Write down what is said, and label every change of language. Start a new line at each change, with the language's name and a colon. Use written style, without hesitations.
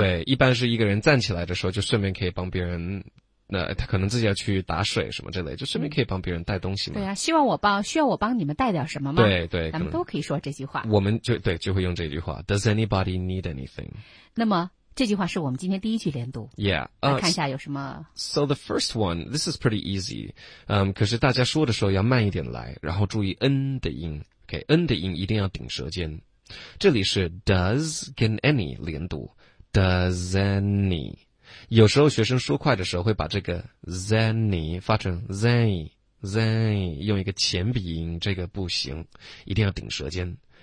Chinese: 对，一般是一个人站起来的时候，就顺便可以帮别人。那他可能自己要去打水什么之类，就顺便可以帮别人带东西嘛。对啊，需要我帮你们带点什么吗？对对，咱们都可以说这句话。我们就会用这句话 ：
English: Does anybody need anything？
Chinese: 那么。这句话是我们今天第一句连读。
English: Yeah，
Chinese: 来看一下有什么。
English: So the first one, this is pretty easy.
Chinese: 可是大家说的时候要慢一点来，然后注意 n 的音。 Okay， n 的音一定要顶舌尖。这里是 does 跟 any 连读 ，does any。有时候学生说快的时候会把这个 zany 发成 zany， 用一个前鼻音，这个不行，一定要顶舌尖。